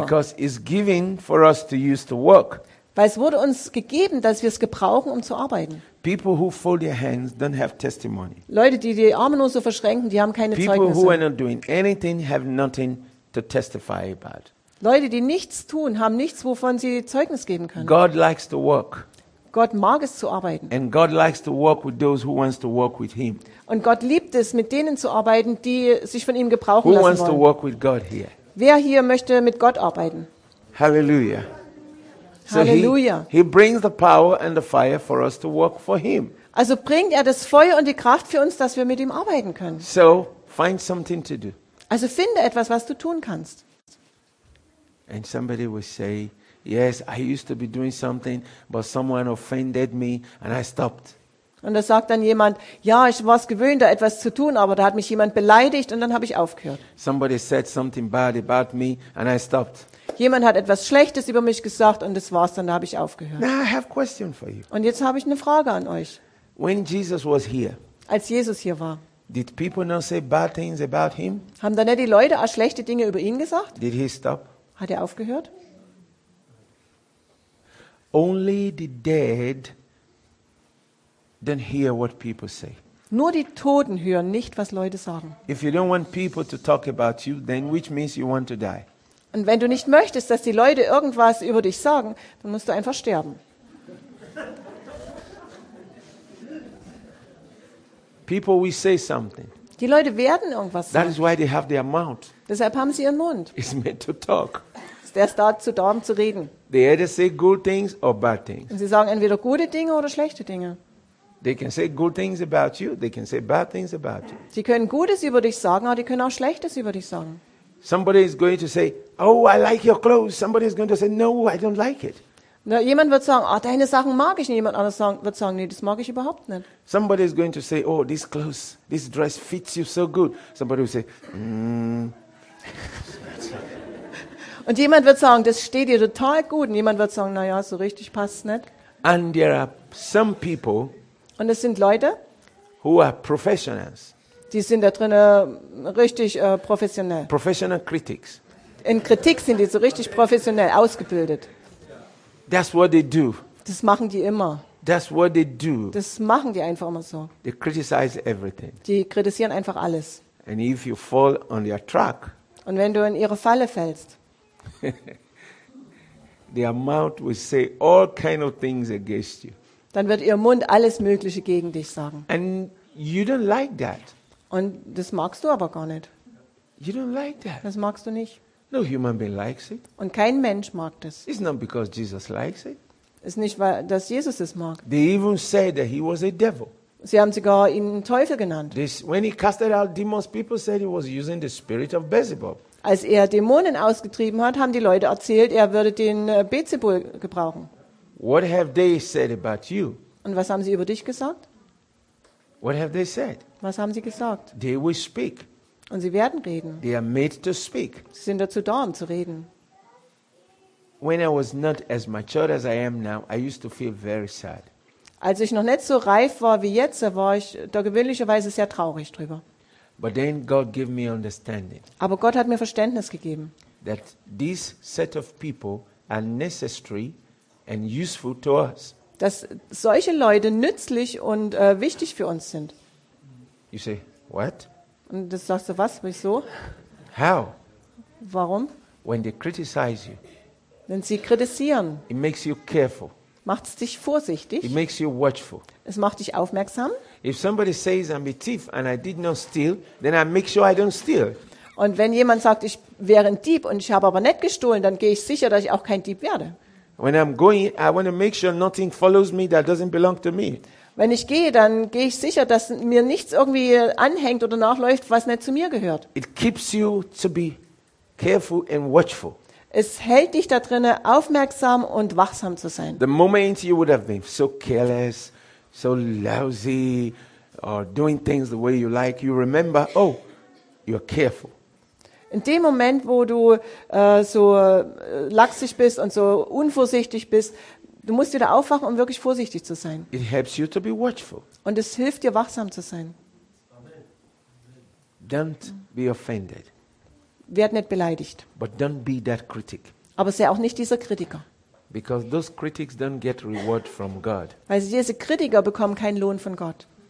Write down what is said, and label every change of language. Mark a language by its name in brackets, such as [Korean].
[English] Because it's given for us to use to work. [German] Weil es wurde uns gegeben, dass wir es gebrauchen, um zu arbeiten. [English] People who fold their hands don't have testimony. [German] Leute, die Arme nur so verschränken, die haben keine [English] People [German] Zeugnisse. [English] Who are not doing anything have nothing to testify about. [German] Leute, die nichts tun, haben nichts, wovon sie Zeugnis geben können. [English] God likes to work. [German] Gott mag es zu arbeiten. [English] And God likes to work with those who wants to work with him. [German] Und Gott liebt es, mit denen zu arbeiten, die sich von ihm gebrauchen lassen wollen. [English] Who wants to work with God here? [German] Wer hier möchte mit Gott arbeiten? [English] Hallelujah. [German] Halleluja. [English] So he brings the power and the fire for us to work for him. [German] Also bringt er das Feuer und die Kraft für uns, dass wir mit ihm arbeiten können. [English] So find something to do. [German] Also finde etwas, was du tun kannst. [English] And somebody will say, yes, I used to be doing something, but someone offended me and I stopped. [German] Und da sagt dann jemand, ja, ich war es gewöhnt, da etwas zu tun, aber da hat mich jemand beleidigt und dann habe ich aufgehört. [English] Somebody said something bad about me and I stopped. [German] Jemand hat etwas Schlechtes über mich gesagt und das war's dann, da habe ich aufgehört. [English] Now I have a question for you. [German] Und jetzt habe ich eine Frage an euch. [English] When Jesus was here, [German] als Jesus hier war, [English] did people not say bad things about him? [German] Haben da nicht die Leute auch schlechte Dinge über ihn gesagt? [English] Did he stop? [German] Hat er aufgehört? [English] Only the dead don't hear what people say. [German] Nur die Toten hören nicht, was Leute sagen. [English] If you don't want people to talk about you, then which means you want to die. [German] Und wenn du nicht möchtest, dass die Leute irgendwas über dich sagen, dann musst du einfach sterben. [English] People will say something. [German] Die Leute werden irgendwas sagen. [English] That is why they have their mouth. [German] Deshalb haben sie ihren Mund. [English] It's meant to talk. [German] Der ist dazu da, um zu reden. [English] They either say good things or bad things. [German] Und sie sagen entweder gute Dinge oder schlechte Dinge. [English] They can say good things about you, they can say bad things about you. [German] Sie können Gutes über dich sagen, aber die können auch Schlechtes über dich sagen. [English] Somebody is going to say, "Oh, I like your clothes." Somebody is going to say, "No, I don't like it." [German] Na, jemand wird sagen, "Ah, deine Sachen mag ich nicht." Jemand anderes wird sagen, "Nee, das mag ich überhaupt nicht." [English] Somebody is going to say, "Oh, this clothes, this dress fits you so good." Somebody will say, [German] Und jemand wird sagen, "Das steht dir total gut." Und jemand wird sagen, "Na ja, so richtig passt's nicht." [English] And there are some people. [German] Und es sind Leute, [English] who are professionals. [German] Die sind da drin richtig professionell. [English] Professional critics. [German] In Kritik sind die so richtig professionell ausgebildet. [English] That's what they do. [German] Das machen die immer. [English] That's what they do. [German] Das machen die einfach immer so. [English] They criticize everything. [German] Die kritisieren einfach alles. [English] And if you fall on their track. [German] Und wenn du in ihre Falle fällst. [English] Their mouth will say all kind of things against you. [German] Dann wird ihr Mund alles Mögliche gegen dich sagen. [English] And you don't like that. [German] Und das magst du aber gar nicht. [English] You don't like that. [German] Das magst du nicht. [English] No human being likes it. [German] Und kein Mensch mag das. [English] It's not because Jesus likes it. [German] Ist nicht, weil dass Jesus es mag. [English] They even said that he was a devil. [German] Sie haben sogar ihn einen Teufel genannt. [English] This, when he casted out demons, people said he was using the spirit of Beelzebub. [German] Als er Dämonen ausgetrieben hat, haben die Leute erzählt, er würde den Beelzebul gebrauchen. [English] What have they said about you? [German] Und was haben sie über dich gesagt? [English] What have they said? [German] Was haben sie gesagt? [English] They will speak. [German] Und sie werden reden. [English] They are made to speak. [German] Sie sind dazu da, um zu reden. [English] When I was not as mature as I am now, I used to feel very sad. [German] Als ich noch nicht so reif war wie jetzt, war ich da gewöhnlicherweise sehr traurig drüber. [English] But then God gave me understanding. [German] Aber Gott hat mir Verständnis gegeben. [English] That this set of people are necessary and useful to us. [German] Dass solche Leute nützlich und wichtig für uns sind. [English] You say what? [German] Und das sagst du was? Wieso? [English] How? [German] Warum? [English] When they criticize you. [German] Wenn sie kritisieren. [English] It makes you careful. [German] Macht es dich vorsichtig. [English] It makes you watchful. [German] Es macht dich aufmerksam. [English] If somebody says I'm a thief and I did not steal, then I make sure I don't steal. [German] Und wenn jemand sagt, ich wäre ein Dieb und ich habe aber nicht gestohlen, dann gehe ich sicher, dass ich auch kein Dieb werde. [English] When I'm going, I want to make sure nothing follows me that doesn't belong to me. [German] Wenn ich gehe, dann gehe ich sicher, dass mir nichts irgendwie anhängt oder nachläuft, was nicht zu mir gehört. [English] It keeps you to be careful and watchful. [German] Es hält dich da drin, aufmerksam und wachsam zu sein. [English] The moment you would have been so careless, so lousy, or doing things the way you like, you remember, oh, you're careful. [German] In dem Moment, wo du so laxig bist und so unvorsichtig bist, du musst wieder aufwachen, um wirklich vorsichtig zu sein. [English] It helps you to be watchful. [German] Und es hilft dir, wachsam zu sein. [English] Amen. Don't be offended. [German] Werd nicht beleidigt. [English] But don't be that critic. [German] Aber sei auch nicht dieser Kritiker. [English] Because those critics don't get reward from God. [German] Weil diese Kritiker bekommen keinen Lohn von Gott.